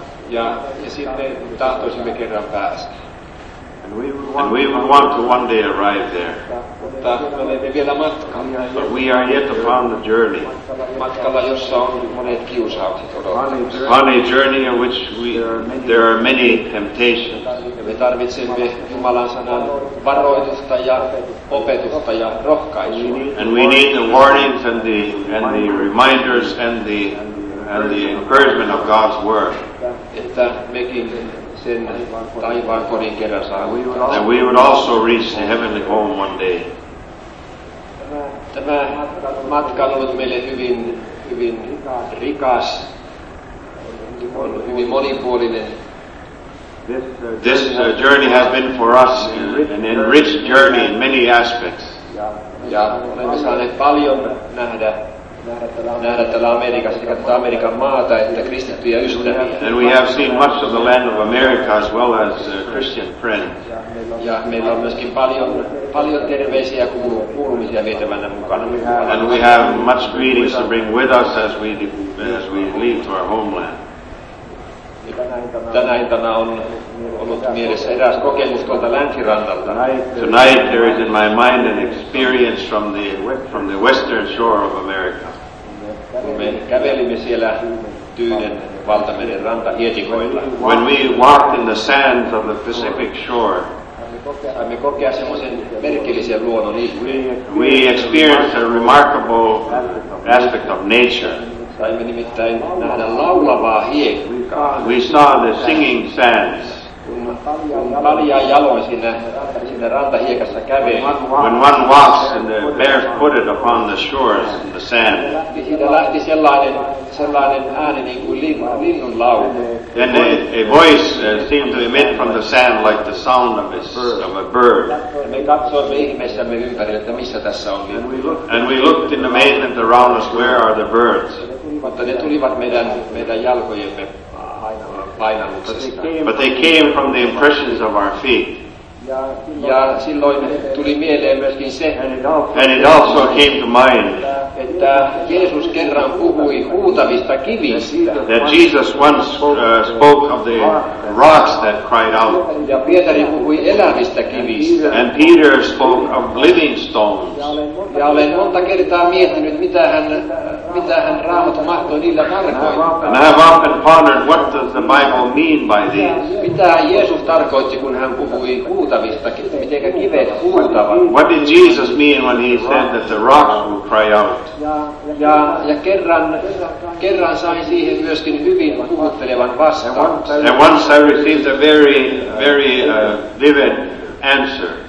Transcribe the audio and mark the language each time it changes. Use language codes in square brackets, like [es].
[en] And we would want to one day arrive there. But we are yet upon the journey. On a journey in which there are many temptations. [fi] Me tarvitsemme Jumalan sanan varoitusta ja opetusta ja rohkaisua. [en] And we need the warnings and the reminders and the encouragement of God's word. [fi] Että mekin sen taivaan kodin kerran saamme. [en] And we would also reach the heavenly home one day. [fi] Tämä matka on ollut meille hyvin rikas, hyvin monipuolinen. [en] This journey has been for us an enriched journey in many aspects. [fi] Ja olemme saaneet paljon nähdä tällä Amerikassa, sekä tätä Amerikan maata että kristittyjä ystäviä. [en] And we have seen much of the land of America as well as Christian friends. [fi] Ja meillä on myöskin paljon terveisiä kuulumisia vietävänä mukana. [en] And we have much greetings to bring with us as we leave to our homeland. [fi] Tänä iltana on ollut mielessä eräs kokemus tuolta länsirannalta. [en] Tonight there is in my mind an experience from the western shore of America. [fi] Me kävelimme siellä Tyynen valtameren rantahietikoilla. [en] When we walked in the sands of the Pacific shore, [fi] saimme kokea semmoisen merkillisen luonnon ihmeen. [en] We experienced a remarkable aspect of nature. [fi] Saimme nimittäin nähdä laulavaa hiekkaa. [en] We saw the singing sands. [fi] Kun paljaan jaloin sinne rantahiekassa käveli. [en] When one walks and barefooted upon the shores of the sand. [fi] Siitä lähti sellainen ääni niin kuin linnun laulu. [en] Then a voice seemed to emit from the sand like the sound of a bird. [fi] Ja me katsoimme ihmeessämme ympäri, että missä tässä on. [en] And we looked in amazement around us, where are the birds? [fi] Mutta ne tulivat meidän jalkojemme. [en] But they came from the impressions of our feet. [fi] Ja silloin tuli mieleen myöskin se, [en] and it also came to mind, [fi] että Jeesus kerran puhui huutavista kivistä. [en] That Jesus once spoke of the rocks that cried out. [fi] Ja Pietari puhui elävistä kivistä. [en] And Peter spoke of living stones. [fi] Ja olen monta kertaa miettinyt, mitä hän Raamattu mahtoi niillä tarkoittaa. [en] And I have often pondered, what does the Bible mean by these? [fi] Mitä Jeesus tarkoitti, kun hän puhui huutavista kivistä, mitenkä kivet huutavat? [en] What did Jesus mean when he said that the rocks would cry out? [fi] Ja kerran sain siihen myöskin hyvin puhuttelevan vastauksen. [en] And once I received a very vivid answer.